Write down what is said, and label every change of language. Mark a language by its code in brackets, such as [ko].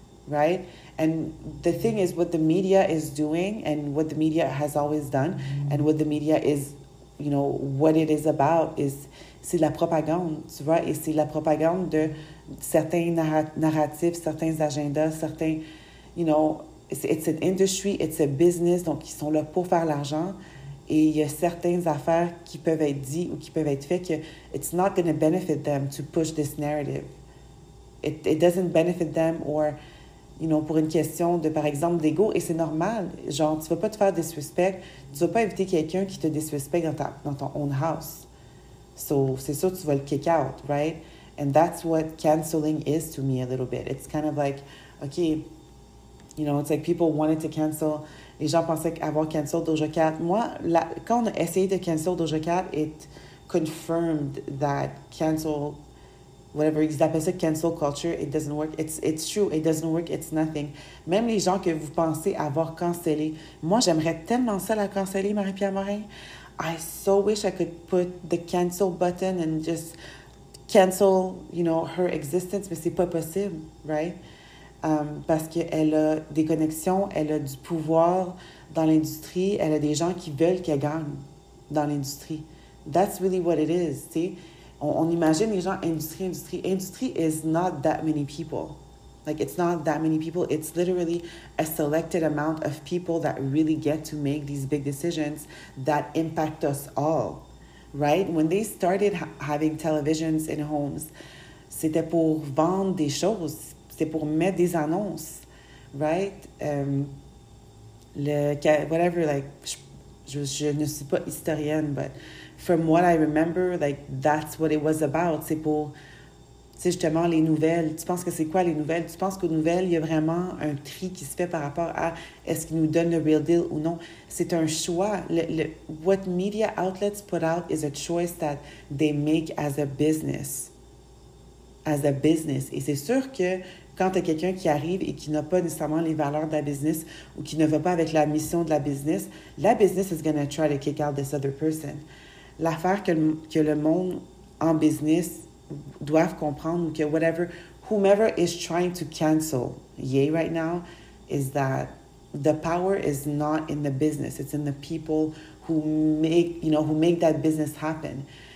[en] Right? And the thing is, what the media is doing and what the media has always done and what the media is, you know, what it is about is, [fr] c'est la propagande, tu vois, et c'est la propagande de certains narratifs, certains agendas, certains, [en] you know, it's an industry, it's a business, [fr] donc ils sont là pour faire l'argent et il y a certaines affaires qui peuvent être dites ou qui peuvent être faites que [en] it's not going to benefit them to push this narrative. It doesn't benefit them or, you know, [fr] pour une question de, par exemple, d'ego, et c'est normal. Genre, tu vas pas te faire disrespect, tu vas pas inviter quelqu'un qui te disrespect dans ton own house. So, c'est sûr, tu vas le kick out, right? [en] And that's what canceling is to me a little bit. It's kind of like, OK, you know, it's like people wanted to cancel. [fr] Les gens pensaient avoir cancel Doja Cat. Moi, quand on a essayé de cancel Doja Cat, [en] it confirmed that cancel. Whatever, [fr] ils appellent ça cancel culture, [en] it doesn't work. It's true, it doesn't work, it's nothing. [fr] Même les gens que vous pensez avoir cancellé, moi j'aimerais tellement ça la canceller, Marie-Pierre Morin. [en] I so wish I could put the cancel button and just cancel, you know, her existence, [fr] mais c'est pas possible, [en] right? [fr] Parce qu'elle a des connexions, elle a du pouvoir dans l'industrie, elle a des gens qui veulent qu'elle gagne dans l'industrie. [en] That's really what it is, see? [fr] On imagine les gens industrie, industrie. [en] Industry is not that many people. Like, it's not that many people. It's literally a selected amount of people that really get to make these big decisions that impact us all, right? When they started having televisions in homes, [fr] c'était pour vendre des choses. C'était pour mettre des annonces, right? Whatever, like, je ne suis pas historienne, but. [en] From what I remember, like, that's what it was about. [fr] C'est pour, tu sais, justement, les nouvelles. Tu penses que c'est quoi, les nouvelles? Tu penses qu'aux nouvelles, il y a vraiment un tri qui se fait par rapport à est-ce qu'ils nous donnent le real deal ou non? C'est un choix. [en] What media outlets put out is a choice that they make as a business. As a business. [fr] Et c'est sûr que quand tu as quelqu'un qui arrive et qui n'a pas nécessairement les valeurs de la business ou qui ne va pas avec la mission de la business [en] is going to try to kick out this other person. [fr] L'affaire que le monde en business doivent comprendre, que [en] whatever, whomever is trying to cancel Ye right now, is that the power is not in the business. It's in the people who make that business happen.